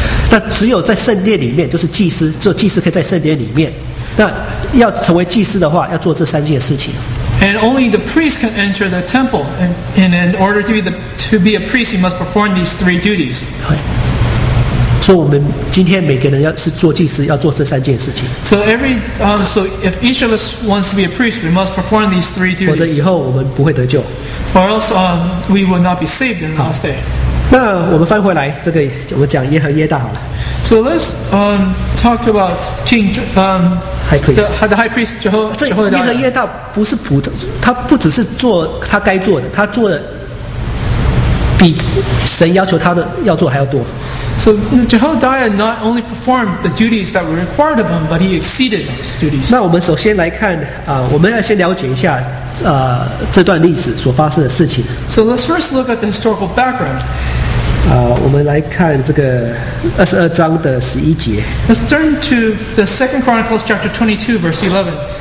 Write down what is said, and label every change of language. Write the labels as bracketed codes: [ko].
[zh] 那只有在圣殿里面，就是祭司，只有祭司可以在圣殿里面。那要成为祭司的话，要做这三件事情。 [en] And only the priest can enter the temple, and in order to be a priest, he must perform these three duties. [zh] 所以我们今天每个人要是做祭司，要做这三件事情。 [en] So every so if each of us wants to be a priest, we must perform these three duties. [zh] 否则以后我们不会得救。 [en] Or else we will not be saved in the last day. [zh] 那我们翻回来，这个我们讲耶和耶大好了。 [en] So let's talk about King the High Priest Jehoiada. [zh] 这耶和耶大不是普通，他不只是做他该做的，他做的比神要求他的要做还要多。 [en] So Jehoiada not only performed the duties that were required of him, but he exceeded those duties. [zh] 那我们首先来看我们要先了解一下这段历史所发生的事情。 [en] So let's first look at the historical background. [zh] 我们来看这个22章的11节。 [en] Let's turn to the Second Chronicles chapter 22, verse 11.